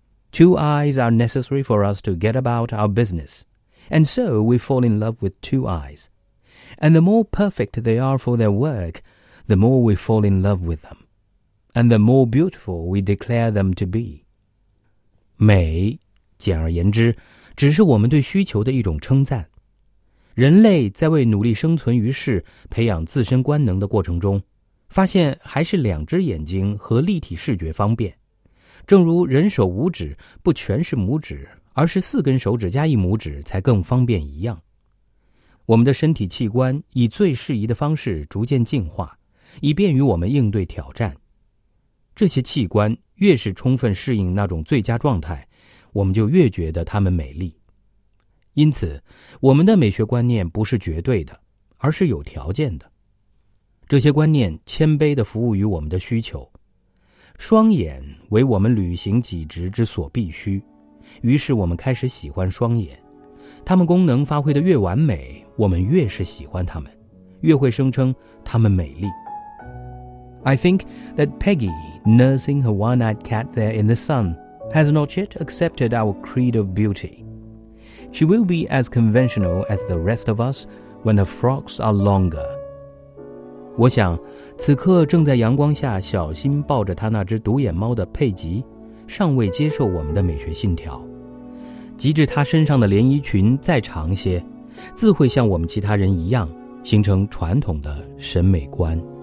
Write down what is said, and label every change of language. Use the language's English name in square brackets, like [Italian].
[English] Two eyes are necessary for us to get about our business, and so we fall in love with two eyes. And the more perfect they are for their work, the more we fall in love with them, and the more beautiful we declare them to be. [Chinese] 美，简而言之，只是我们对需求的一种称赞。人类在为努力生存于世、培养自身官能的过程中，发现还是两只眼睛和立体视觉方便。正如人手五指不全是拇指，而是四根手指加一拇指才更方便一样。我们的身体器官以最适宜的方式逐渐进化，以便于我们应对挑战。这些器官越是充分适应那种最佳状态，我们就越觉得它们美丽。因此，我们的美学观念不是绝对的，而是有条件的。这些观念谦卑地服务于我们的需求。双眼为我们履行己职之所必须，于是我们开始喜欢双眼。它们功能发挥得越完美，我们越是喜欢它们，越会声称它们美丽。 [English] I think that Peggy, nursing her one-eyed cat there in the sun, has not yet accepted our creed of beauty. She will be as conventional as the rest of us when her frocks are longer. [Chinese] 我想，此刻正在阳光下小心抱着她那只独眼猫的佩吉，尚未接受我们的美学信条。即至她身上的连衣裙再长些，自会像我们其他人一样，形成传统的审美观。